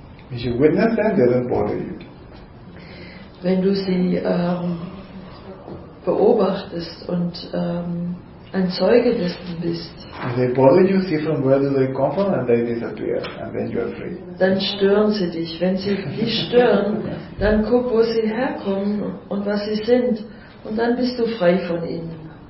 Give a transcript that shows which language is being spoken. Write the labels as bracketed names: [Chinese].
[English] If you witness them, they don't bother you. [German] Wenn du sie beobachtest und ein Zeuge dessen bist. [English] If they bother you, see from where do they come from, and they disappear, and then you are free. [German] Dann stören sie dich. Wenn sie dich stören, dann guck, wo sie herkommen und was sie sind, und dann bist du frei von ihnen.